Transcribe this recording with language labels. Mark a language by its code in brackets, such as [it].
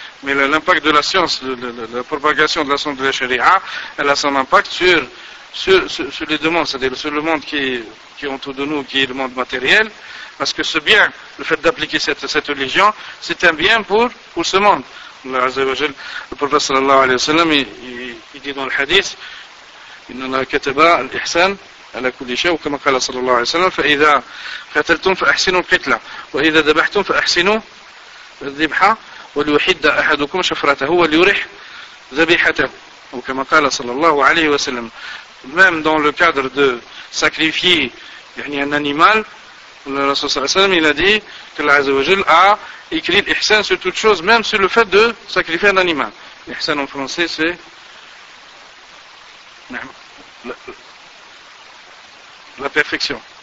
[fr] Mais l'impact de la science, la propagation de la science de la charia, elle a son impact sur les deux mondes, c'est-à-dire sur le monde qui est autour de nous, qui est le monde matériel, parce que ce bien, le fait d'appliquer cette religion, c'est un bien pour ce monde. Allah Azza wa Jal, le prophète sallallahu alayhi wa sallam, il dit dans le hadith, [ar] إن الله كتب الإحسان على كل شيء وكما قال صلى الله عليه وسلم فإذا قتلتم فأحسنوا القتلة وإذا ذبحتم فأحسنوا الذبحة وليحد أحدكم شفرته وليرح ذبيحته وكما قال صلى الله عليه وسلم. [fr] Même dans le cadre de sacrifier un animal, le Rasoul صلى الله عليه وسلم il a dit que Allah Azza wa Jal a écrit l'Ihsan sur toute chose, même sur le fait de sacrifier un animal. L'Ihsan en français, c'est la perfection.